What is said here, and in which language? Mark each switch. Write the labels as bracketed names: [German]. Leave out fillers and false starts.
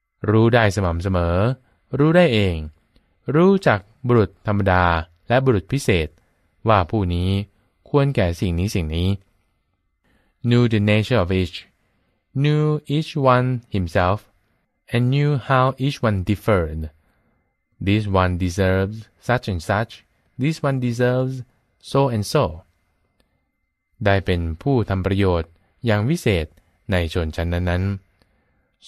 [Thai] รู้ได้สม่ำเสมอรู้ได้เองรู้จักบุรุษธรรมดาและบุรุษพิเศษว่าผู้นี้ควรแก่สิ่งนี้สิ่งนี้ [English] knew the nature of each knew each one himself and knew how each one differed this one deserves such and such this one deserves so and so [Thai] ได้เป็นผู้ทำประโยชน์อย่างวิเศษในชนชั้นนั้นๆ